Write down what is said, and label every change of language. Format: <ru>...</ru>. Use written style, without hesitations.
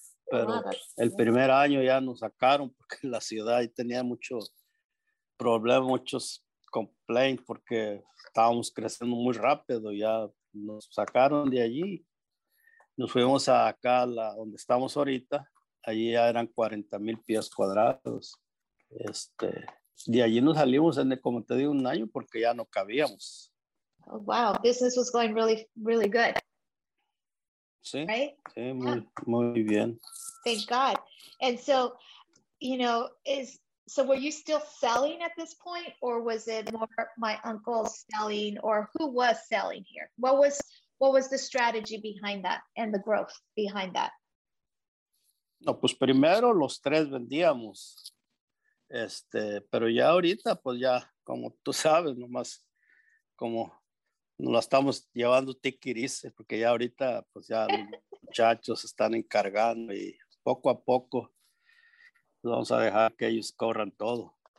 <es>Pero el primer año ya nos sacaron porque la ciudad tenía muchos problemas, muchos complaints, porque estábamos creciendo muy rápido. Ya nos sacaron de allí. Nos fuimos acá, donde estamos ahorita. Allí ya eran 40,000 pies cuadrados. De allí nos salimos un año porque ya no cabíamos.</es> <en>Oh, wow, business was going really, really good.</en> <es>Sí, right? Sí, muy bien.</es> <en>Thank God. And so, you know, were you still selling at this point, or was it more my uncle selling, or who was selling here? What was the strategy behind that and the growth behind that?</en> <es>No, pues primero los tres vendíamos. Pero ya ahorita, pues ya, como tú sabes, nomás como nos la estamos llevando tiquirices, porque ya ahorita, pues ya los muchachos se están encargando y poco a poco vamos a dejar que ellos corran todo.</es>